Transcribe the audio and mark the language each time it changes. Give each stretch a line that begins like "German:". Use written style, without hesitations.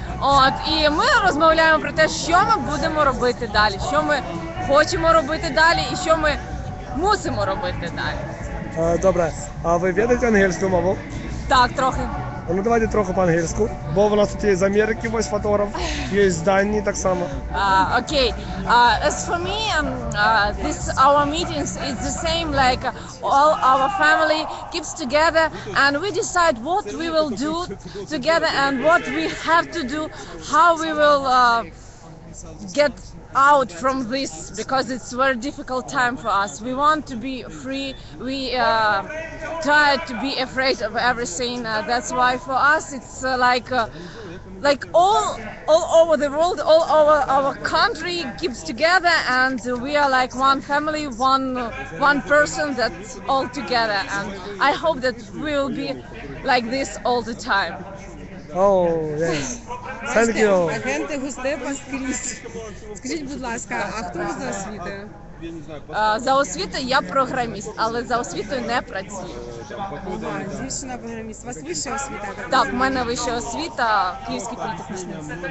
Ukrainian: От, і ми розмовляємо про те, що ми будемо робити далі, що ми хочемо робити далі і що ми мусимо робити далі. Добре, а ви ведете ангельську мову? Так, трохи. Ну давайте трохи по-ангельську, бо в нас тут є з Америки ось фотограф, є з Данії так само. Окей.
English: As for me, this our meetings is the same like all our family keeps together and we decide what we will do together and what we have to do, how we will get out from this because it's very difficult time for us. We want to be free. We tired to be afraid of everything. That's why for us it's like all over the world, all over our country keeps together and we are like one family, one person that's all together. And I hope that we will be like this all the time. Oh, yes. Thank you.
Ukrainian: Агенти Густе поскрізь. Скажіть, будь ласка, а хто ви за освіти? За освіту я програміст, але за освітою не працюю. Ага, дівчина програміст. У вас вища освіта? Так, в мене вища освіта, Київський політехнічний.